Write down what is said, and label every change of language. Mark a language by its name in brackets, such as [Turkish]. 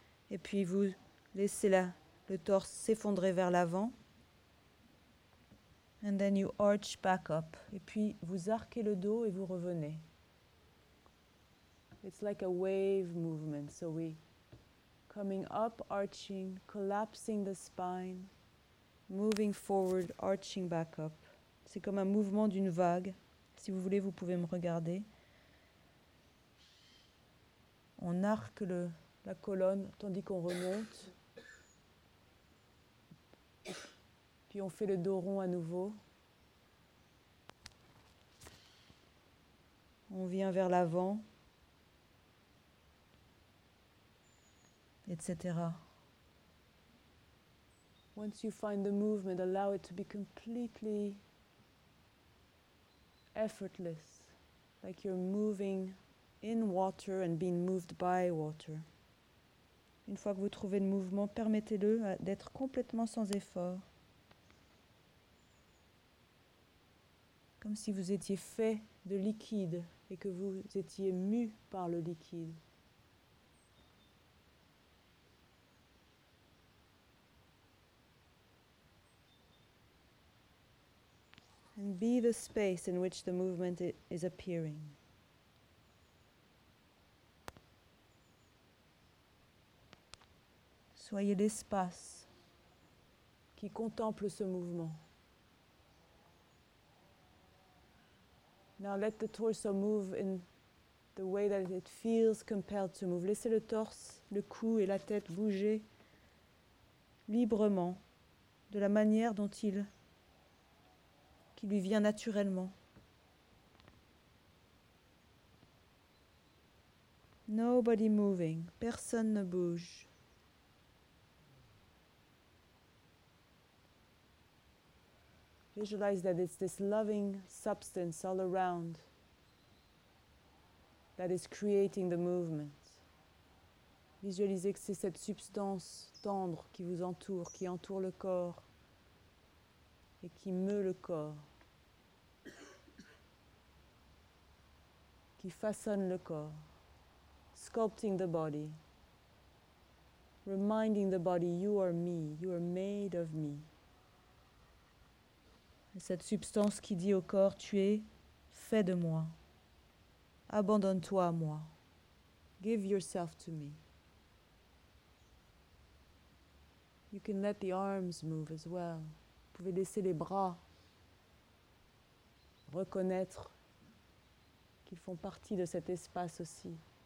[French] Et puis vous laissez le torse s'effondrer vers l'avant. [English] And then you arch back up. [French] Et puis vous arquez le dos et vous revenez. [English] It's like a wave movement. So we coming up, arching, collapsing the spine. Moving forward, arching back up. [French] C'est comme un mouvement d'une vague. Si vous voulez, vous pouvez me regarder. On arque la colonne tandis qu'on remonte. Puis on fait le dos rond à nouveau. On vient vers l'avant. Etc. [English] Once you find the movement, allow it to be completely effortless, like you're moving in water and being moved by water. [French] Une fois que vous trouvez le mouvement, permettez-le d'être complètement sans effort. Comme si vous étiez fait de liquide et que vous étiez mu par le liquide. [English] And be the space in which the movement is appearing. [French] Soyez l'espace qui contemple ce mouvement. [English] Now let the torso move in the way that it feels compelled to move. [French] Laissez le torse, le cou et la tête bouger librement de la manière dont il qui lui vient naturellement. [English] Nobody moving. [French] Personne ne bouge. [English] Visualize that it's this loving substance all around that is creating the movement. [French] Visualisez que c'est cette substance tendre qui vous entoure, qui entoure le corps et qui meut le corps. Qui façonne le corps, [English] sculpting the body, reminding the body, you are me, you are made of me. [French] Et cette substance qui dit au corps, tu es fait de moi, abandonne-toi à moi, [English] give yourself to me. You can let the arms move as well. [French] Vous pouvez laisser les bras reconnaître. Ils font partie de cet espace aussi.